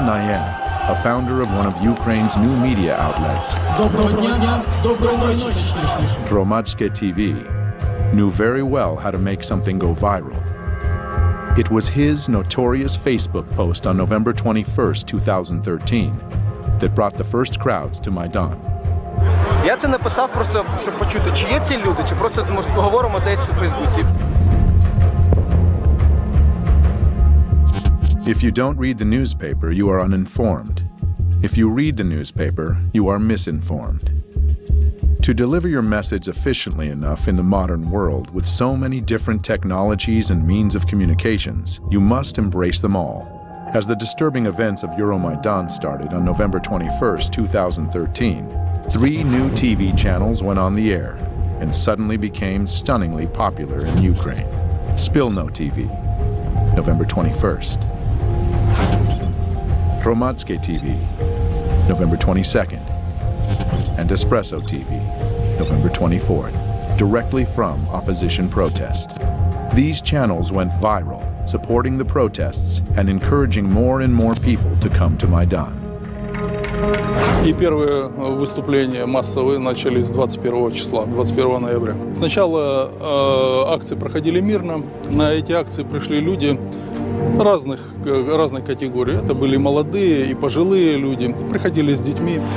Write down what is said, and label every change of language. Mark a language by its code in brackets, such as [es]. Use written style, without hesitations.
[en] Nayem, a founder of one of Ukraine's new media outlets, Gromadske TV, knew very well how to make something go viral. It was his notorious Facebook post on November 21st, 2013, that brought the first crowds to Maidan. [uk] Я це написав просто, щоб почути, чи є ці люди, чи просто ми говоримо десь у Фейсбуці. [en] If you don't read the newspaper, you are uninformed. If you read the newspaper, you are misinformed. To deliver your message efficiently enough in the modern world with so many different technologies and means of communications, you must embrace them all. As the disturbing events of Euromaidan started on November 21st, 2013, three new TV channels went on the air and suddenly became stunningly popular in Ukraine. Spilno TV, November 21st. Romatske TV, November 22nd. And Espresso TV, November 24th, directly from opposition protest. These channels went viral, supporting the protests and encouraging more and more people to come to Maidan. [ru] И первые выступления массовые начались 21 числа, 21 ноября. Сначала акции проходили мирно. На эти акции пришли люди, разных категорий. Это были молодые и пожилые люди, приходили с детьми.